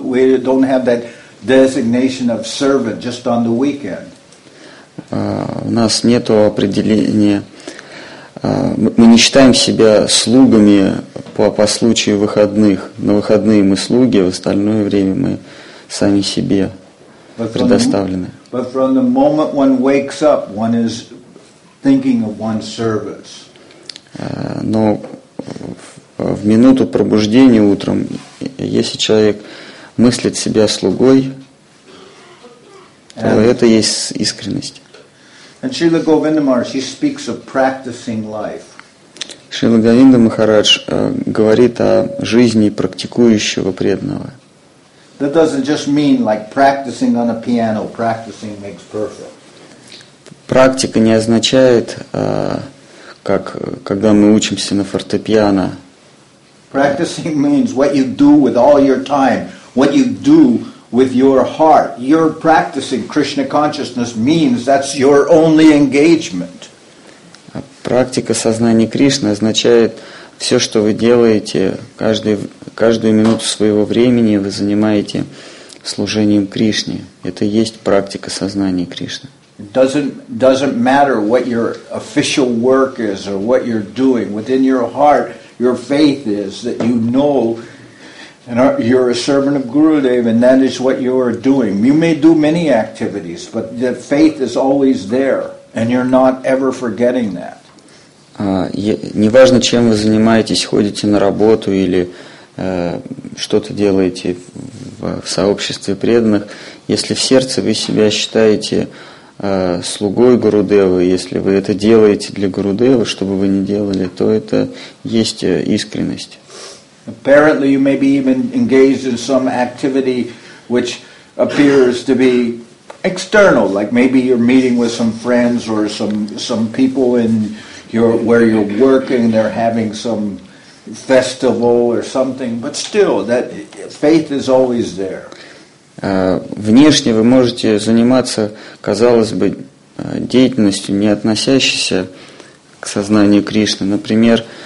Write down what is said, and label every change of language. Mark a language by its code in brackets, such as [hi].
[en] We don't have that designation of servant just on the weekend. [ru] У нас нету определения. Мы не считаем себя слугами по случаю выходных. На выходные мы слуги, а в остальное время мы сами себе предоставлены. [en] But from the moment one wakes up, one is thinking of one's service. [ru] Но в минуту пробуждения утром, если человек мыслит себя слугой, то это есть искренность. [en] And Srila Govinda Maharaj, he speaks of practicing life. [ru] Srila Govinda Maharaj говорит о жизни практикующего преданного. [en] That doesn't just mean like practicing on a piano, practicing makes perfect. [ru] Практика не означает, как когда мы учимся на фортепиано. [en] Practicing means what you do with all your time, what you do with your heart. Your practicing Krishna consciousness means that's your only engagement. [ru] Практика сознания Кришны означает все, что вы делаете, каждую минуту своего времени вы занимаете служением Кришне. Это и есть практика сознания Кришны. [en] Doesn't matter what your official work is or what you're doing. Within your heart, your faith is that you know and you're a servant of Gurudev, and that is what you are doing. You may do many activities, but the faith is always there, and you're not ever forgetting that. [ru] Неважно, чем вы занимаетесь, ходите на работу или что-то делаете в сообществе преданных, если в сердце вы себя считаете слугой Гурудевы, если вы это делаете для Гурудевы, что бы вы ни делали, то это есть искренность. [en] Apparently, you may be even engaged in some activity which appears to be external, like maybe you're meeting with some friends or some people in your where you're working. They're having some festival or something, but still, that faith is always there. [ru] Внешне вы можете заниматься, казалось бы, деятельностью, не относящейся к сознанию Кришны, например.